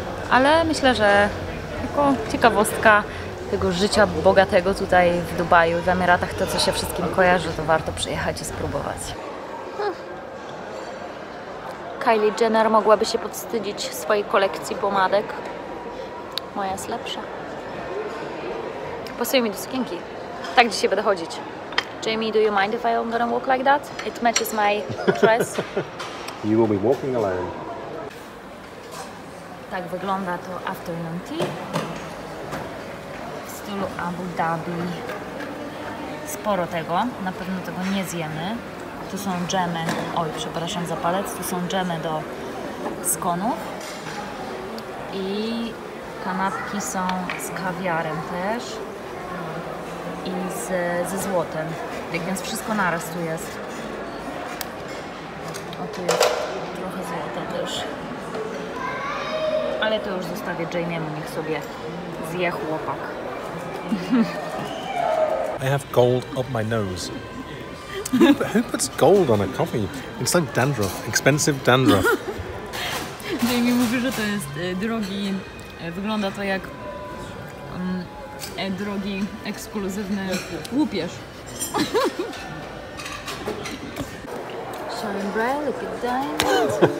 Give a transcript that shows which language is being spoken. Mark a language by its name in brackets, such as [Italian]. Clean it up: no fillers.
[Polish] Ale myślę, że jako ciekawostka tego życia bogatego tutaj w Dubaju, w Emiratach, to co się wszystkim kojarzy, to warto przyjechać i spróbować. Kylie Jenner mogłaby się podwstydzić swojej kolekcji pomadek. Moja jest lepsza. Pasuje mi do sukienki. Tak dzisiaj będę chodzić. [English] Jamie, do you mind if I'm gonna walk like that? It matches my dress. You will be walking alone. [Polish] Tak wygląda to afternoon tea. W stylu Abu Dhabi. Sporo tego. Na pewno tego nie zjemy. Tu są dżemy, oj, przepraszam za palec, tu są dżemy do skonów i kanapki są z kawiarem też i ze złotem, tak więc wszystko naraz tu jest. O, tu jest trochę złota też, ale to już zostawię Jamie'emu, niech sobie zje chłopak. [English] I have gold up my nose. Who puts gold on a coffee? It's like dandruff. Expensive dandruff. [Polish] Jamie mówi, że to jest drogi... Wygląda to jak... drogi, ekskluzywny łupież. [English] Shine bright like a diamond.